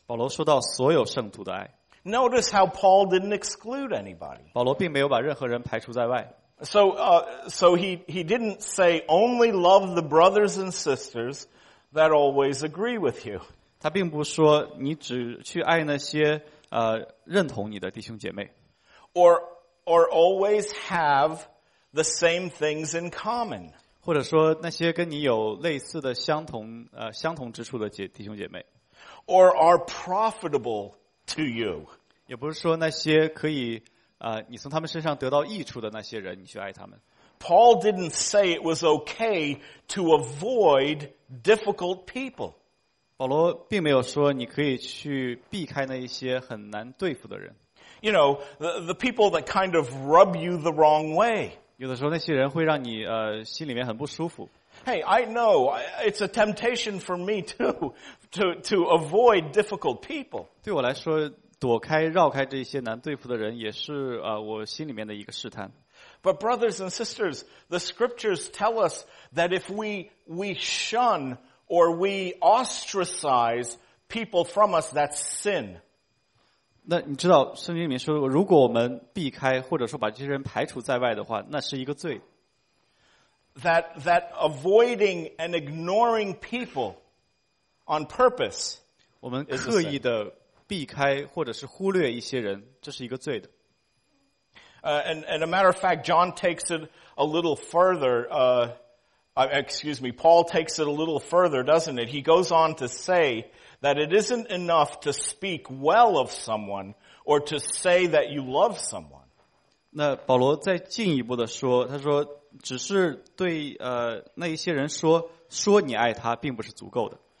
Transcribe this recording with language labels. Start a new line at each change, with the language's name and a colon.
Chinese: 保罗说到所有圣徒的爱。
English: Notice how Paul didn't exclude anybody.
Chinese: 保罗并没有把任何人排除在外。
English: So he didn't say only love the brothers and sisters that always agree with you.
Chinese: 他并不说你只去爱那些认同你的弟兄姐妹。
English: Or always have the same things in common.
Chinese: 或者说那些跟你有类似的相同之处的弟兄姐妹。
English: Or are profitable to you.
Chinese: 也不是说那些可以你从他们身上得到益处的那些人，你去爱他们。
English: Paul didn't say it was okay to avoid difficult people.
Chinese: 保罗并没有说你可以去避开那一些很难对付的人。
English: You know, the people that kind of rub you the wrong way.
Chinese: 有的时候那些人会让你心里面很不舒服。
English: Hey, I know, it's a temptation for me too, to avoid difficult people.
Chinese: 对我来说躲开绕开这些难对付的人也是我心里面的一个试探。
English: But brothers and sisters, the scriptures tell us that if we shun or we ostracize people from us, that's sin.
Chinese: 那你知道圣经里面说如果我们避开或者说把这些人排除在外的话那是一个罪。
English: That avoiding and ignoring people on purpose.
Chinese: 我们刻意的避开或者是忽略一些人，这是一个罪的。
English: And a matter of fact, John takes it a little further. Paul takes it a little further, doesn't it? He goes on to say that it isn't enough to speak well of someone or to say that you love someone.
Chinese: 那保罗再进一步的说，他说，只是对那一些人说你爱他，并不是足够的。